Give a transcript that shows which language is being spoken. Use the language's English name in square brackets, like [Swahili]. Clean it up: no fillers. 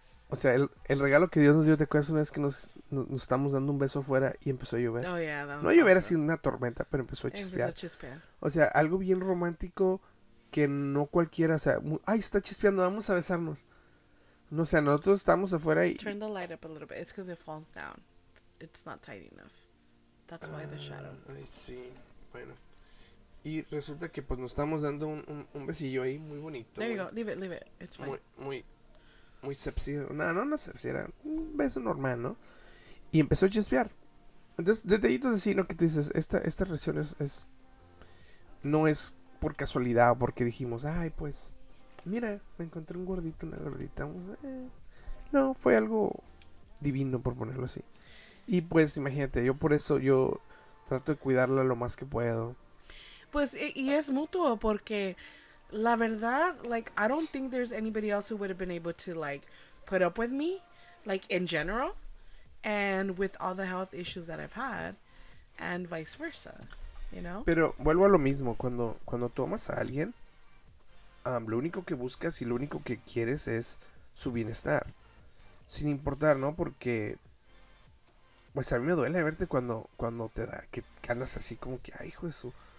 [Spanish] O sea, el regalo que Dios nos dio, ¿te acuerdas una vez que nos estábamos dando un beso afuera y empezó a llover? [English] Oh, yeah, that was [Spanish] no a llover awesome. Así una tormenta, pero empezó a chispear. Empezó a chispear. O sea, algo bien romántico que no cualquiera, o sea, ¡ay, está chispeando, vamos a besarnos! No, o sea, nosotros estamos afuera y... [English] Turn the light up a little bit, it's because it falls down. It's not tight enough. That's why the shadow. [Spanish] Ay, sí, bueno. Y resulta que pues nos estamos dando un besillo ahí muy bonito. [English] There you go, leave it, it's fine. [Spanish] Muy sepsi, no sepsi, era un beso normal, ¿no? Y empezó a chispear. Entonces, detallitos así, ¿no? Que tú dices, esta relación es no es por casualidad, porque dijimos, ay, pues, mira, me encontré un gordito, una gordita. No, fue algo divino, por ponerlo así. Y pues, imagínate, yo por eso yo trato de cuidarla lo más que puedo. Pues, y es mutuo, porque... [English] La verdad, like, I don't think there's anybody else who would have been able to, like, put up with me, like, in general, and with all the health issues that I've had, and vice versa, you know? [Spanish] Pero vuelvo a lo mismo, cuando tomas a alguien, lo único que buscas y lo único que quieres es su bienestar, sin importar, ¿no? Porque, pues, a mí me duele verte cuando te da, que andas así como que, ay, hijo de su...